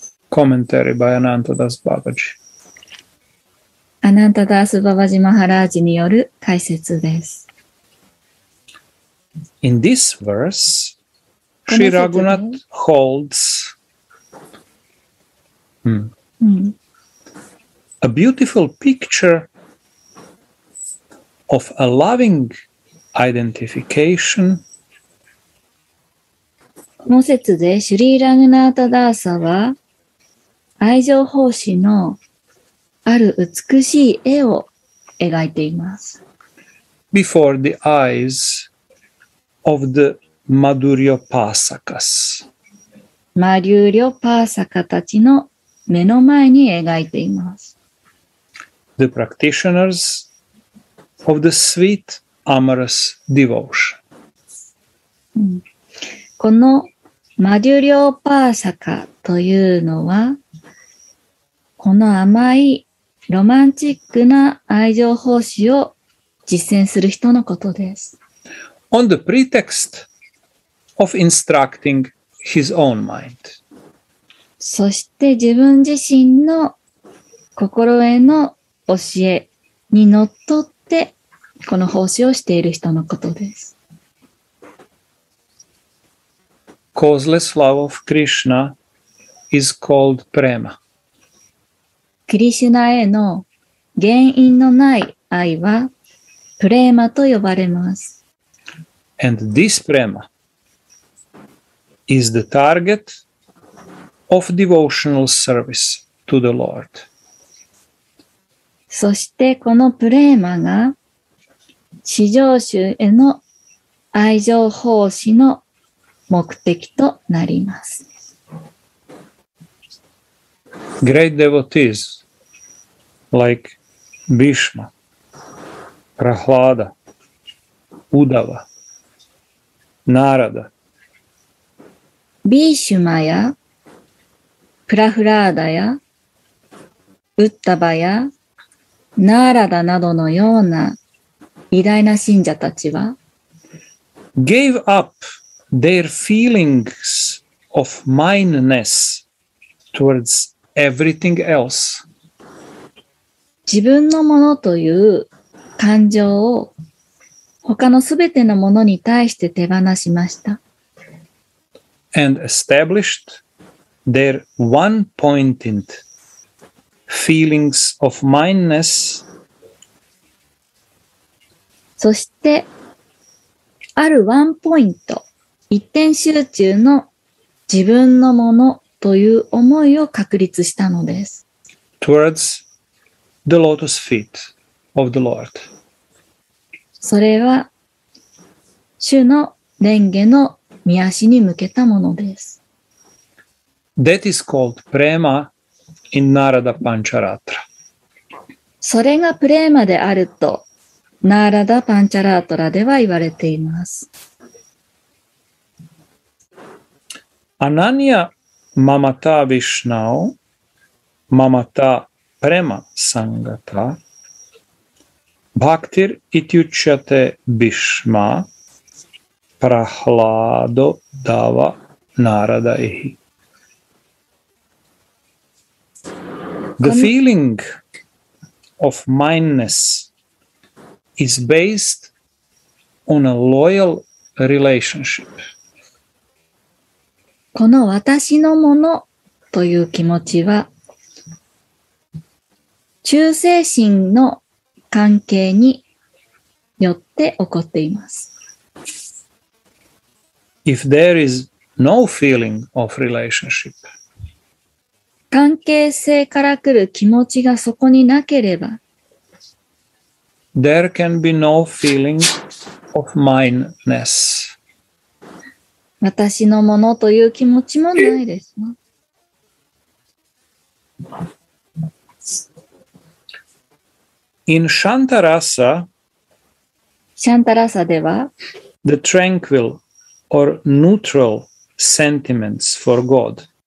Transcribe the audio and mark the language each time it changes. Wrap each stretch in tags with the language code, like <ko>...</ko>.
<en>Commentary by Anantadas Babaji.</en> <ja>アナントダース・ババジ・マハラージによる解説です。</ja> <en>In this verse, Shri Raghunath holds a beautiful picture of a loving identification.</en> <ja>この節で、シュリー・ラグナータ・ダーサは、愛情奉仕のある美しい絵を描いています。</ja> <en>Before the eyes of the Madhuryopasakas.</en> <ja>マドゥーリョパーサカたちの目の前に描いています。</ja> <en>The practitioners of the sweet amorous devotion.</en> <ja>このマドゥーリョパーサカというのは、この甘いロマンチックな愛情奉仕を実践する人のことです。</ja> <en>On the pretext of instructing his own mind.</en> <ja>そして自分自身の心への教えにのっとってこの奉仕をしている人のことです。</ja> <en>Causeless love of Krishna is called prema.</en> <ja>クリシュナへの原因のない愛はプレーマと呼ばれます。</ja> <en>And this prema is the target of devotional service to the Lord.</en> <ja>そしてこのプレーマが至上主への愛情奉仕の目的となります。</ja> <en>Great devotees like Bhishma, Prahlada, Uddhava, Narada</en> <ja>ビーシュマやプラフラーダやウッタバやナーラダなどのような偉大な信者たちは</ja> <en>gave up their feelings of mineness towards everything else</en> <ja>自分のものという感情を他のすべてのものに対して手放しました。</ja> <en>And established their one-pointed feelings of mindness.</en> <ja>そしてあるワンポイント、一点集中の自分のものという思いを確立したのです。</ja> <en>Towards the lotus feet of the Lord.</en> <ja>それは主の蓮華の御足に向けたものです。</ja> <en>That is called prema in Narada Pancharatra.</en> <ja>それがプレーマであるとナーラダパンチャラートラでは言われています。</ja> <sa>Ananya mamata Vishnao mamata prema sangata bhaktir ityuchyate Bhishma. Prahlado dava narada ehi.</sa> <en>The feeling of mindness is based on a loyal relationship.</en> <ja>この私のものという気持ちは忠誠心の関係によって起こっています。</ja> <en>If there is no feeling of relationship,</en> <ja>関係性から来る気持ちがそこになければ、</ja> <en>there can be no feeling of mineness.</en> <ja>私のものという気持ちもないです。</ja> <en>In Shantarasa,</en> <ja>Shantarasa では、</ja> <en>the tranquil. Or neutral sentiments for God.、</en>